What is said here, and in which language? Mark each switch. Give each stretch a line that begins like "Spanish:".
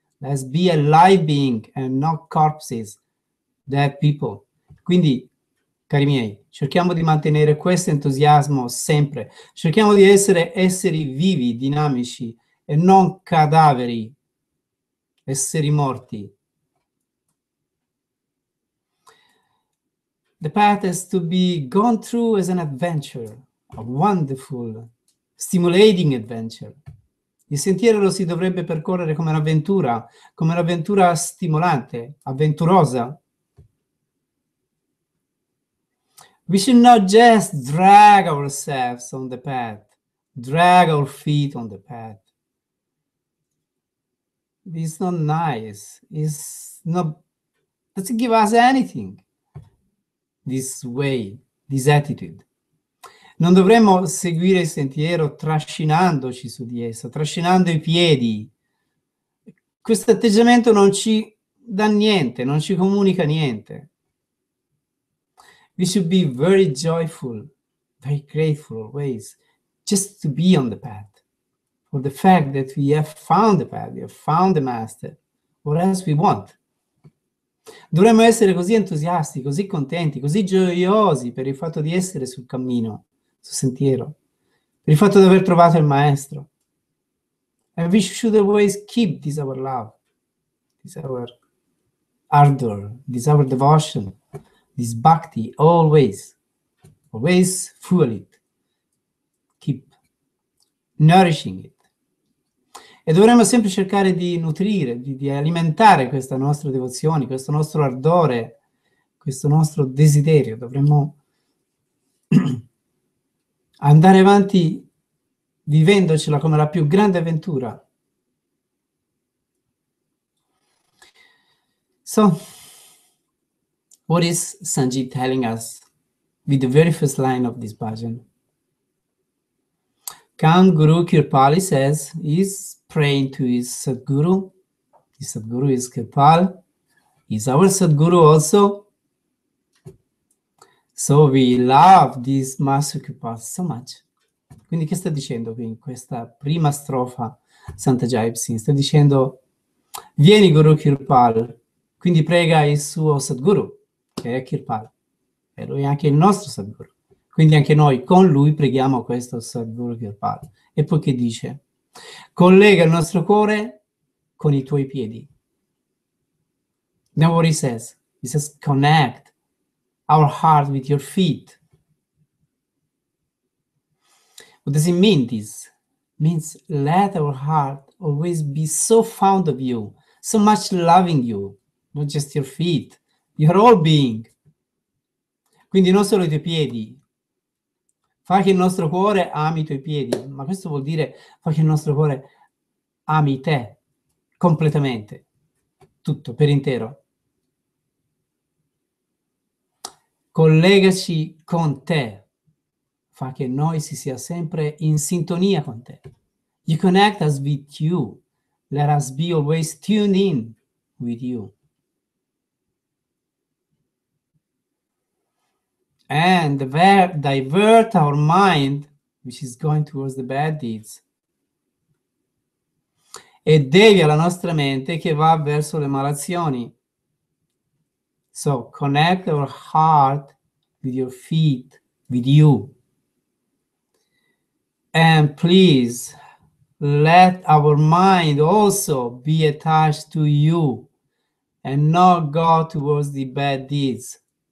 English: Let's be a live being and not corpses, dead people.
Italian: Quindi, cari miei, cerchiamo di mantenere questo entusiasmo sempre. Cerchiamo di essere esseri vivi, dinamici, e non cadaveri, esseri morti.
English: The path is to be gone through as an adventure, a wonderful, stimulating adventure.
Italian: Il sentiero lo si dovrebbe percorrere come un'avventura stimolante, avventurosa.
English: We should not just drag ourselves on the path, drag our feet on the path. It's not nice. It's not, doesn't give us anything. This way, this attitude.
Italian: Non dovremmo seguire il sentiero trascinandoci su di esso, trascinando i piedi. Questo atteggiamento non ci dà niente, non ci comunica niente.
English: We should be very joyful, very grateful always, just to be on the path. For the fact that we have found the path, we have found the master, what else we want?
Italian: Dovremmo essere così entusiasti, così contenti, così gioiosi per il fatto di essere sul cammino, sul sentiero, per il fatto di aver trovato il maestro.
English: And we should always keep this our love, this our ardor, this our devotion, this bhakti, always, always fuel it. Keep nourishing it.
Italian: E dovremmo sempre cercare di nutrire, di alimentare questa nostra devozione, questo nostro ardore, questo nostro desiderio. Dovremmo andare avanti vivendocela come la più grande avventura.
English: So, what is Sanji telling us with the very first line of this bhajan? Come Guru Kirpali says, he's praying to his Sadguru. His Sadguru is Kirpal. He's our Sadguru also. So we love this Master Kirpal so much.
Italian: Quindi che sta dicendo qui in questa prima strofa Santa Jaipsi? Sta dicendo, vieni Guru Kirpal. Quindi prega il suo Sadguru, che è Kirpal. E lui è anche il nostro Sadguru. Quindi anche noi con lui preghiamo questo Sadguru Kirpal. E poi che dice? Collega il nostro cuore con i tuoi piedi.
English: Now what he says? He says, connect our heart with your feet. What does it mean this? It means, let our heart always be so fond of you, so much loving you, not just your feet, your whole being.
Italian: Quindi non solo i tuoi piedi. Fa che il nostro cuore ami i tuoi piedi, ma questo vuol dire fa che il nostro cuore ami te completamente, tutto, per intero. Collegaci con te, fa che noi si sia sempre in sintonia con te.
English: You connect us with you, let us be always tuned in with you. And divert our mind, which is going towards the bad deeds.
Italian: E devia la nostra mente che va verso le malazioni.
English: So, connect our heart with your feet, with you. And please, let our mind also be attached to you and not go towards the bad deeds.